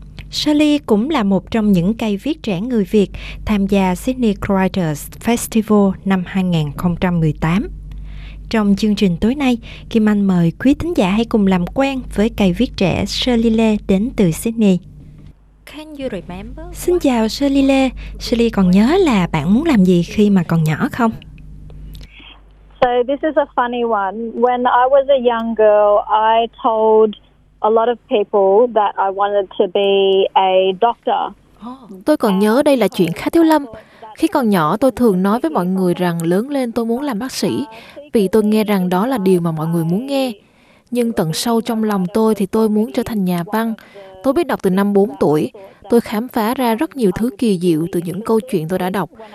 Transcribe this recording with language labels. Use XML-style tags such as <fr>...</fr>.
<vi>Shirley cũng là một trong những cây viết trẻ người Việt tham gia Sydney Writers Festival năm 2018. Trong chương trình tối nay, Kim Anh mời quý thính giả hãy cùng làm quen với cây viết trẻ Shirley Lê đến từ Sydney.</vi> <en>Can you remember?</en> <vi>Xin chào Shirley Lê. Shirley còn nhớ là bạn muốn làm gì khi mà còn nhỏ không?</vi> <en>So this is a funny one. When I was a young girl, I told a lot of people that I wanted to be a doctor.</en> <vi>Tôi còn nhớ đây là chuyện khá thiếu lâm. Khi còn nhỏ, tôi thường nói với mọi người rằng lớn lên tôi muốn làm bác sĩ, vì tôi nghe rằng đó là điều mà mọi người muốn nghe. Nhưng tận sâu trong lòng tôi thì tôi muốn trở thành nhà văn. Tôi biết đọc từ năm 4 tuổi. Tôi khám phá ra rất nhiều thứ kỳ diệu từ những câu chuyện tôi đã đọc.</vi>